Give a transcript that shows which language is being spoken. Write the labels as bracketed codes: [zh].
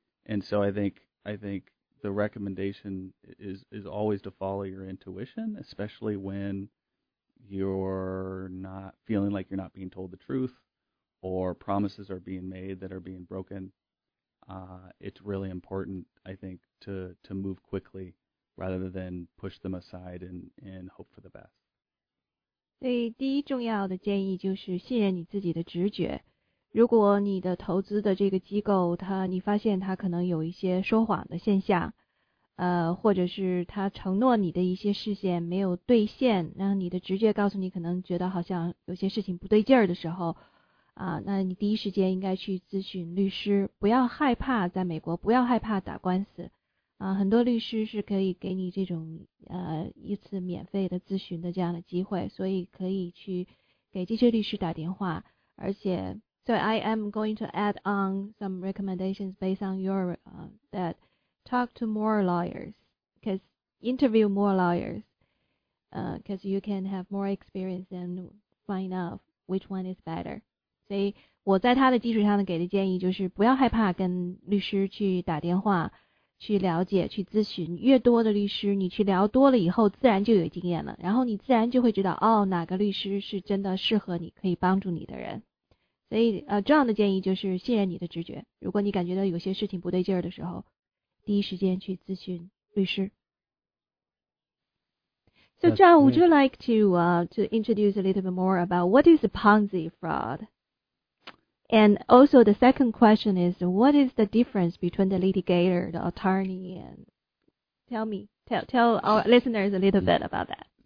[en] And so I think the recommendation is always to follow your intuition, especially when you're not feeling like you're not being told the truth, or promises are being made that are being broken. It's really important, I think, to move quickly rather than push them aside and hope for the best. [zh] 对，第一重要的建议就是信任你自己的直觉。如果你的投资的这个机构，你发现它可能有一些说谎的现象，或者是他承诺你的一些事项没有兑现，让你的直觉告诉你可能觉得好像有些事情不对劲儿的时候，那你第一时间应该去咨询律师，不要害怕，在美国不要害怕打官司，很多律师是可以给你这种一次免费的咨询的这样的机会，所以可以去给这些律师打电话。而且 [en] ，So I am going to add on some recommendations based on your that. Talk to more lawyers, because interview more lawyers, because you can have more experience and find out which one is better. [zh] 所以我在他的基础上给的建议就是不要害怕跟律师去打电话，去了解，去咨询。越多的律师你去聊多了以后，自然就有经验了，然后你自然就会知道哦，哪个律师是真的适合你，可以帮助你的人。所以这样的建议就是信任你的直觉。如果你感觉到有些事情不对劲儿的时候，第一时间去咨询律师。 [en] So John, would you like to introduce a little bit more about what is a Ponzi fraud? And also the second question is, what is the difference between the litigator, the attorney, and tell our listeners a little bit about that.